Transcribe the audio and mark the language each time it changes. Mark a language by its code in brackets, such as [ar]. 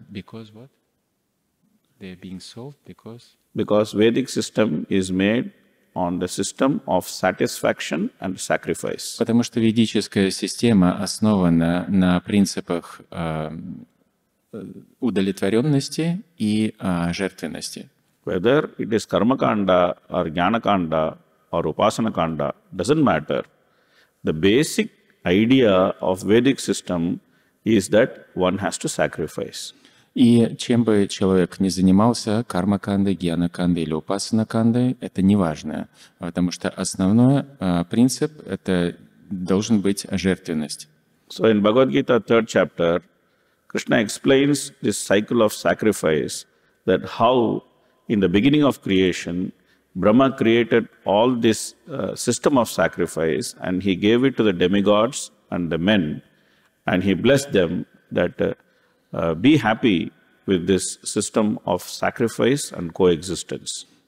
[en] Because what? They are being solved because? Because Vedic system is made on the system of satisfaction and sacrifice. [ru] Потому что ведическая система основана на принципах удовлетворенности и жертвенности. [en] Whether it is Karmakanda or Jnanakanda or Upasanakanda, doesn't matter. The basic idea of Vedic system is that one has to sacrifice. [ru] И чем бы человек ни занимался, карма-канды, гьяна-канды или упасана-канды, это не важно, потому что основной принцип — это должен быть жертвенность. [en] So in Bhagavad Gita, third chapter, Krishna explains this cycle of sacrifice, that how in the beginning of creation, Brahma created all this system of sacrifice and he gave it to the demigods and the men and he blessed them that be happy with this system of sacrifice and coexistence.